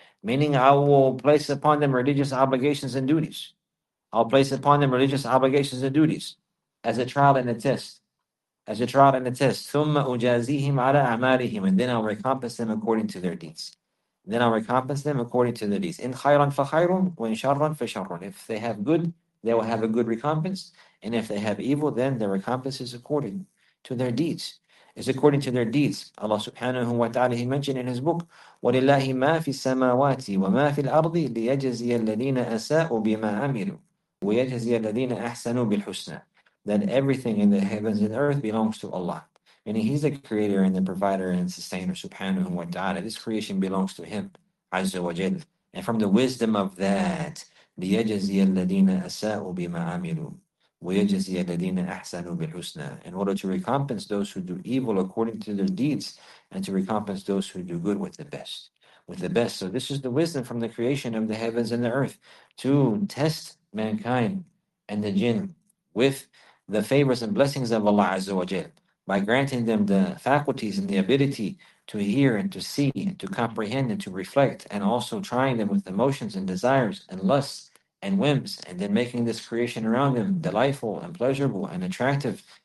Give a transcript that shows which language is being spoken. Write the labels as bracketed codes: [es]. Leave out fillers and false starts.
[en] Meaning I will place upon them religious obligations and duties. I'll place upon them religious obligations and duties as a trial and a test. As a trial and a test. [ar] ثُمَّ أُجَازِيهِمْ عَلَىٰ أَعْمَالِهِمْ, [en] and then I'll recompense them according to their deeds. Then I'll recompense them according to the deeds. [ar] In خَيْرًا فَخَيْرٌ وَإِن شَرًّا فَشَرٌ. [en] If they have good, they will have a good recompense. And if they have evil, then their recompense is according to their deeds. It's according to their deeds. Allah subhanahu wa ta'ala, He mentioned in His book, [ar] وَلِلَّهِ مَا فِي السَّمَاوَاتِ وَمَا فِي الْأَرْضِ لِيَجَزِيَ الَّذِينَ أَسَاءُوا بِمَا عَمِلُوا وَيَجَزِيَ الَّذِينَ أَحْسَنُوا بِالْحُسْنَى. [en] That everything in the heavens and earth belongs to Allah. Meaning He's the creator and the provider and sustainer, subhanahu wa ta'ala. This creation belongs to Him, Azza wa Jal. And from the wisdom of that, [ar] لِيَجَزِيَ الَّذِينَ أَسَاءُوا بِمَا عَمِلُوا وَيَجَزِيَ الَّذِينَ أَحْسَنُوا بِالْحُسْنَى. [en] In order to recompense those who do evil according to their deeds, and to recompense those who do good with the best. With the best. So this is the wisdom from the creation of the heavens and the earth, to test mankind and the jinn with the favors and blessings of Allah Azza wa Jal, by granting them the faculties and the ability to hear and to see and to comprehend and to reflect, and also trying them with emotions and desires and lusts and whims, and then making this creation around them delightful and pleasurable and attractive,